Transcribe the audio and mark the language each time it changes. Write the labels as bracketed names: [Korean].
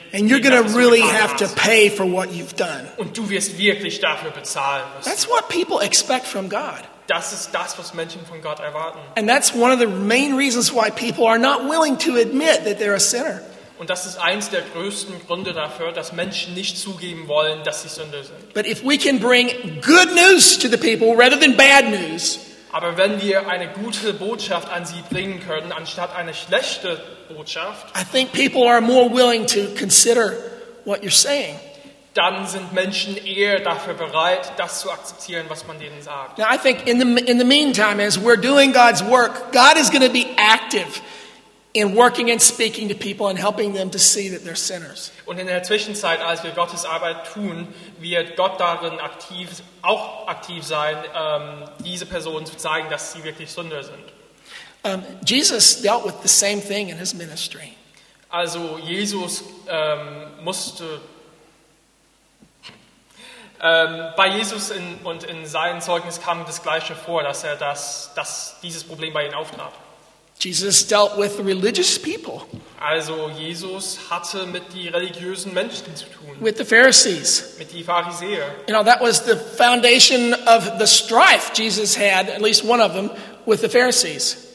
[English] And you're going to really have to pay for what you've done. [German] Und du wirst wirklich dafür bezahlen müssen. [English] That's what people expect from God. [German] Das ist das, was Menschen von Gott erwarten. [English] And that's one of the main reasons why people are not willing to admit that they're a sinner. [German] Und das ist eins der größten Gründe dafür, dass Menschen nicht zugeben wollen, dass sie Sünder sind. [English] But if we can bring good news to the people rather than bad news. [German] Aber wenn wir eine gute Botschaft an sie bringen können anstatt eine schlechte Botschaft. [English] I think people are more willing to consider what you're saying. [German] dann sind Menschen eher dafür bereit, das zu akzeptieren, was man denen sagt. [English] Now I think in the meantime, as we're doing God's work, God is going to be active in working and speaking to people and helping them to see that they're sinners. [German] Und in der Zwischenzeit, als wir Gottes Arbeit tun, wird Gott darin auch aktiv sein, diese Personen zu zeigen, dass sie wirklich Sünder sind. [English] Jesus dealt with the same thing in his ministry. [German] Also Jesus musste bei Jesus und in seinem Zeugnis kam das Gleiche vor, dass er dieses Problem bei ihm auftrat. [English] Jesus dealt with religious people. [German] Also Jesus hatte mit den religiösen Menschen zu tun. [English] With the Pharisees. [German] Mit den Pharisäern. [English] You know, that was the foundation of the strife Jesus had, at least one of them, with the Pharisees.